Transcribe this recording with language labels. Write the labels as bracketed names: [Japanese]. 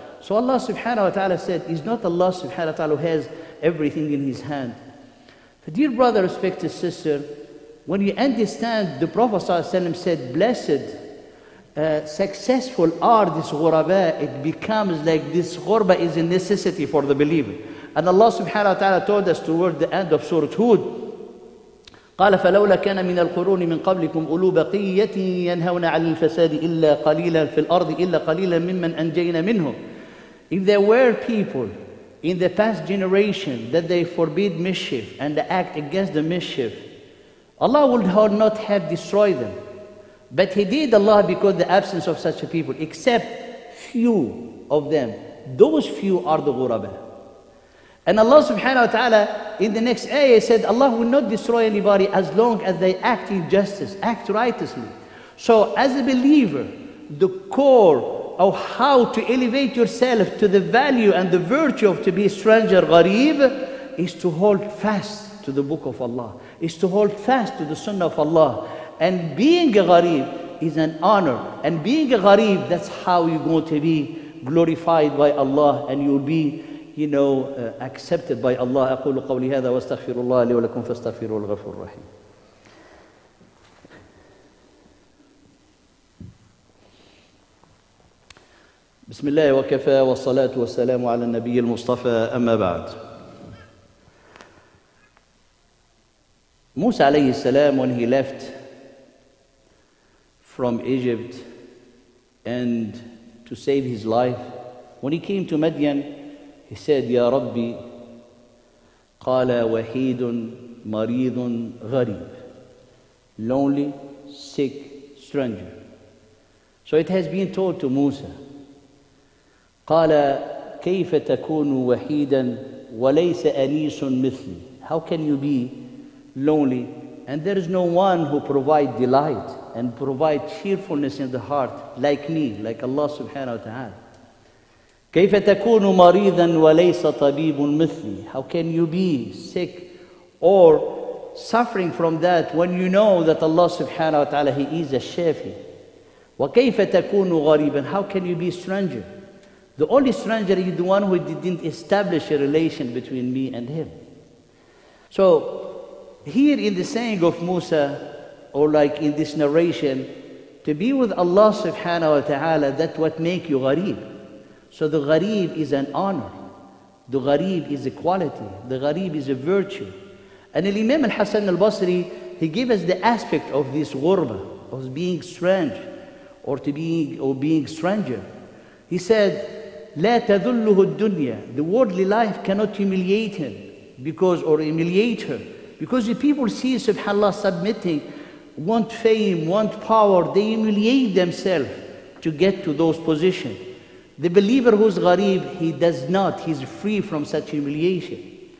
[English] So Allah subhanahu wa ta'ala said, is not Allah subhanahu wa ta'ala who has everything in His hand. But dear brother, respected sister, when you understand, the Prophet sallallahu alayhi wa sallam said, blessed, successful are this ghuraba. It becomes like this ghurba is a necessity for the believer. [Arabic] And Allah subhanahu wa ta'ala told us toward the end of Surah Hud, قَالَ فَلَوْلَا كَانَ مِنَ الْقُرُونِ مِنْ قَبْلِكُمْ أُولُو بَقِيَّةٍ يَنْهَوْنَ عَلِ الْفَسَادِ إِلَّا قَلِيلًا فِي الْأَرْضِ إِلَّا قَلِيلًا مِمَّنْ أَنْجَيْنَا مِنْهُمْ. [English] If there were people in the past generation that they forbid mischief and they act against the mischief, Allah would not have destroyed them. But He did Allah because the absence of such a people, except few of them. Those few are the ghuraba. And Allah subhanahu wa ta'ala in the next ayah said, Allah will not destroy anybody as long as they act in justice, act righteously. So as a believer, the core of how to elevate yourself to the value and the virtue of to be a stranger, ghareeb, is to hold fast to the book of Allah, is to hold fast to the sunnah of Allah. And being a ghareeb is an honor. And being a ghareeb, that's how you're going to be glorified by Allah, and you'll be, you know, accepted by Allah. [Arabic] أقول قولي هذا واستغفر الله لي ولكم فاستغفروا الغفور الرحيم. بسم الله وكفى والصلاة والسلام على النبي المصطفى أما بعد. موسى عليه السلام, [English] when he left from Egypt and to save his life, when he came to Madian, he said, [Arabic] Ya Rabbi, Qala Wahidun Maridun Ghareeb. [English] Lonely, sick, stranger. So it has been told to Musa, [Arabic] Qala Kayfa Takunu Wahidan Walaysa Anisun Mithli. [English] How can you be lonely And there is no one who provide delight and provide cheerfulness in the heart like me, like Allah subhanahu wa ta'ala. [Arabic] كيف تكون مريضا وليس طبيب مثلي? [English] How can you be sick or suffering from that when you know that Allah subhanahu wa ta'ala, He is a shafi? [Arabic] وكيف تكون غريبا? [English] How can you be a stranger? The only stranger is the one who didn't establish a relation between me and him. So, here in the saying of Musa, or like in this narration, to be with Allah subhanahu wa ta'ala, that's what make you ghareeb. So the ghareeb is an honor. The ghareeb is a quality. The ghareeb is a virtue. And Imam al-Hasan al-Basri, he gave us the aspect of this ghurba, of being strange, or being stranger. [Arabic] He said, لَا تَذُلُّهُ الدُّنْيَا. [English] The worldly life cannot humiliate him, or humiliate her. Because if people see subhanAllah submitting, want fame, want power, they humiliate themselves to get to those positions. The believer who's gharib, he does not, he's free from such humiliation.